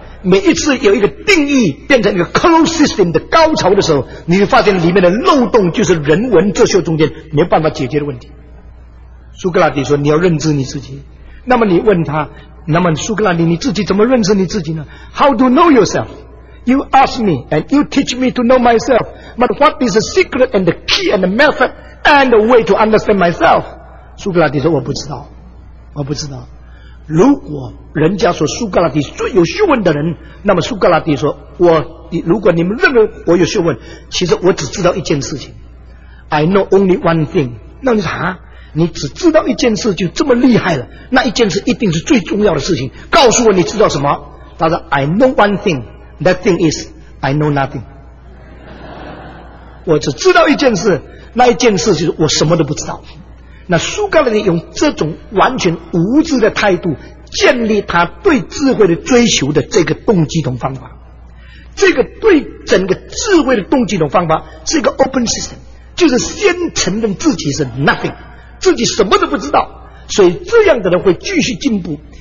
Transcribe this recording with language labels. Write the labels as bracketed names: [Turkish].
[Chinese] 每一次有一个定义变成一个 closed system 的高潮的时候，你会发现里面的漏洞就是人文哲学中间没有办法解决的问题。苏格拉底说你要认知你自己，那么你问他，那么苏格拉底，你自己怎么认识你自己呢？ [English] How to know yourself? You ask me and you teach me to know myself, but what is the secret and the key and the method and the way to understand myself? [Chinese] 苏格拉底说我不知道，我不知道。如果人家说苏格拉底最有学问的人，那么苏格拉底说，我如果你们认为我有学问，其实我只知道一件事情， [English] I know only one thing。 [Chinese] 那你说，你只知道一件事就这么厉害了？那一件事一定是最重要的事情，告诉我你知道什么。他说 [English] I know one thing, that thing is I know nothing。 [Chinese] 我只知道一件事，那一件事就是我什么都不知道。那苏格拉底用这种完全无知的态度建立他对智慧的追求的这个动机同方法。这个对整个智慧的动机同方法是一个 open system， 就是先承认自己是 nothing， 自己什么都不知道，所以这样的人会继续进步。